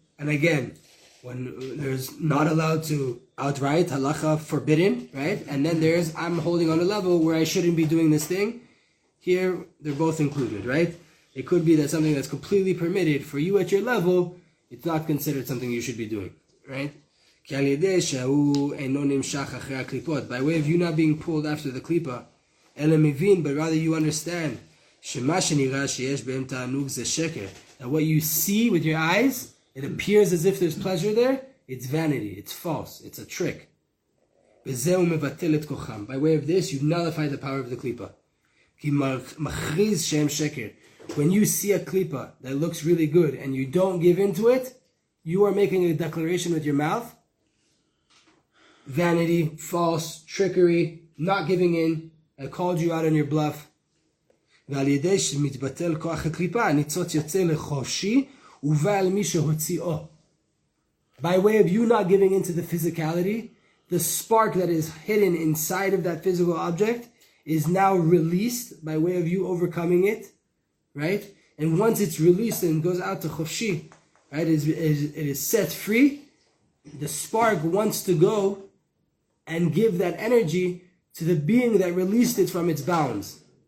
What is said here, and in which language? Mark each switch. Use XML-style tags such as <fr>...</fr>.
<en>And again, when there's not allowed to outright, halacha forbidden, right? And then there's, I'm holding on a level where I shouldn't be doing this thing. Here, they're both included, right? It could be that something that's completely permitted for you at your level, it's not considered something you should be doing, right?</en> <he>כי על ידי שהוא אינו נמשך אחרי הקליפות,</he> <en>by way of you not being pulled after the klipa,</en> <he>אלא מבין,</he> <en>but rather you understand,</en> <he>שמה שנראה שיש בהם תענוג זה שקר.</he> <en>And what you see with your eyes, it appears as if there's pleasure there, it's vanity, it's false, it's a trick.</en> <he>וזה הוא מבטל את כוחם.</he> <en>By way of this, you nullify the power of the klipa.</en> <he>כי מכריז שהם שקר.</he> <en>When you see a klipa that looks really good and you don't give in to it, you are making a declaration with your mouth. Vanity, false, trickery, not giving in, I called you out on your bluff.</en> <he>ועל ידי שמתבטל כוח הקליפה, הניצוץ יוצא לחופשי, ובעל מי שהוציאו.</he> <en>By way of you not giving into the physicality, the spark that is hidden inside of that physical object is now released by way of you overcoming it, right? And once it's released and goes out to חופשי, right, it is set free, the spark wants to go and give that energy to the being that released it from its bounds.</en>